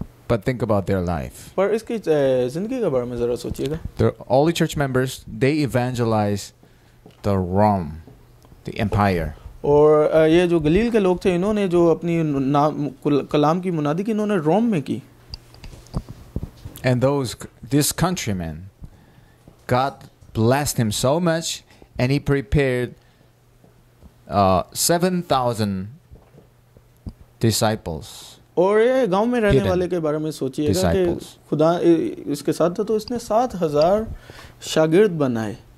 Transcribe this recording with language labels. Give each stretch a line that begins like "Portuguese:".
English: But think about their life.
Hindi: पर इसकी जिंदगी के बारे में जरा सोचिएगा.
English: They're all the church members they evangelize the Rome the empire.
Hindi: और ये जो गलील के लोग थे इन्होंने जो अपनी कलाम की मुनादी की इन्होंने रोम में की.
English: And those, this countryman, God blessed him so much, and he prepared 7,000 disciples.
Hindi: और ये गांव में रहने वाले के बारे में सोचिएगा कि खुदा इसके साथ था तो इसने 7,000 शागिर्द बनाए.